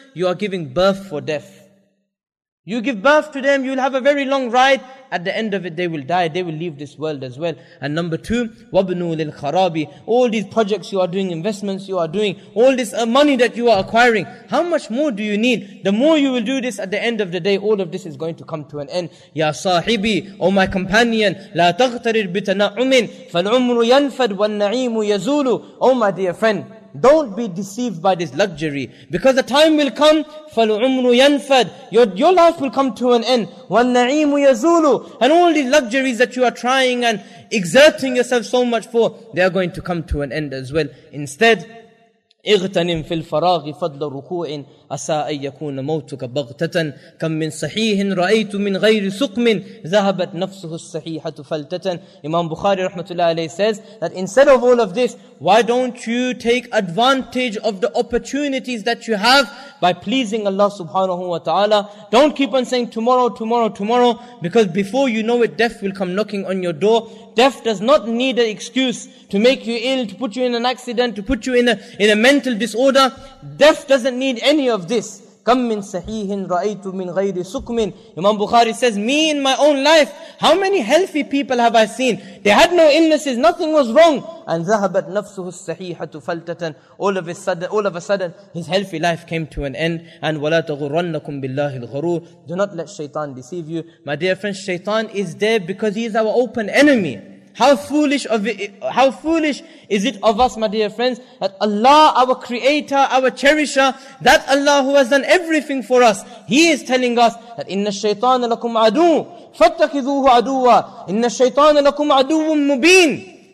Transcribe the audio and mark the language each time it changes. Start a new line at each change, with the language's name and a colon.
English: You are giving birth for death. You give birth to them, you'll have a very long ride. At the end of it, they will die. They will leave this world as well. And number two,
Arabic: وَبْنُوا لِلْخَرَابِ.
English: All these projects you are doing, investments you are doing, all this money that you are acquiring, how much more do you need? The more you will do this, at the end of the day, all of this is going to come to an end.
Arabic: يَا صَاحِبِي.
English: O my companion,
Arabic: لَا تَغْتَرِرْ بِتَنَعُمٍ فَالْعُمْرُ يَنْفَدْ وَالنَّعِيمُ يَزُولُ.
English: O my dear friend, don't be deceived by this luxury. Because the time will come,
Arabic: فَالْعُمْرُ يَنْفَدْ.
English: Your life will come to an end.
Arabic: وَالنَّعِيمُ يَزُولُ.
English: And all these luxuries that you are trying and exerting yourself so much for, they are going to come to an end as well. Instead,
Arabic: اغتنم في الفراغ فضل ركوع أسى أن يكون موتك بغتة كم من صحيح رأيت من غير سقم ذهبت نفسه الصحيحة فلتة.
English: Imam Bukhari rahmatullah alayhi says that instead of all of this, why don't you take advantage of the opportunities that you have by pleasing Allah subhanahu wa ta'ala? Don't keep on saying tomorrow, tomorrow, tomorrow, because before you know it, death will come knocking on your door. Death does not need an excuse to make you ill, to put you in an accident, to put you in a mental disorder. Death doesn't need any of this.
Arabic: كَمْ مِنْ صَحِيحٍ رَأَيْتُ مِنْ غَيْرِ سُكْمٍ.
English: Imam Bukhari says, me in my own life, how many healthy people have I seen? They had no illnesses, nothing was wrong. And
Arabic: ذَهَبَتْ نَفْسُهُ السَّحِيحَةُ فَلْتَةً.
English: All of a sudden, his healthy life came to an end. And
Arabic: وَلَا تَغُرَّنَّكُمْ بِاللَّهِ الْغُرُورِ.
English: Do not let shaitan deceive you. My dear friends, shaitan is there because he is our open enemy. How foolish is it of us, my dear friends, that Allah, our creator, our cherisher, that Allah who has done everything for us, He is telling us that
Arabic: إِنَّ الشَّيْطَانَ لَكُمْ عَدُوٌ فَاتَّخِذُوهُ عَدُوًا إِنَّ الشَّيْطَانَ لَكُمْ عَدُوٌ مُبِينٌ.